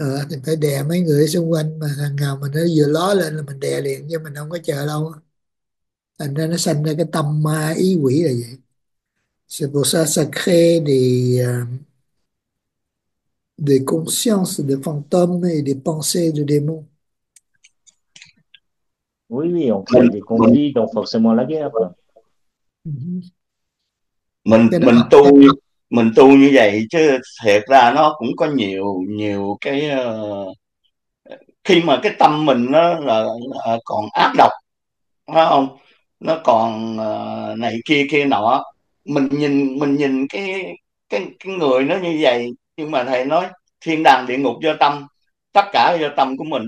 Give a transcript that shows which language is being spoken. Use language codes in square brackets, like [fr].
[vi] Thì phải đè mấy người xung quanh, mà thằng nào mà nó vừa ló lên là mình đè liền, chứ mình không có chờ lâu. Thành ra nó sanh ra cái tâm ma ý quỷ là vậy. [fr] C'est pour ça, ça crée des consciences de fantômes et des pensées de démons. Oui, on crée des conflits, donc forcément la guerre, quoi. [vi] Mình Cái đó tu như vậy chứ thiệt ra nó cũng có nhiều nhiều cái khi mà cái tâm mình nó là còn ác độc, phải không? Nó còn này kia kia nọ, mình nhìn cái người nó như vậy, nhưng mà thầy nói thiên đàng địa ngục do tâm, tất cả do tâm của mình.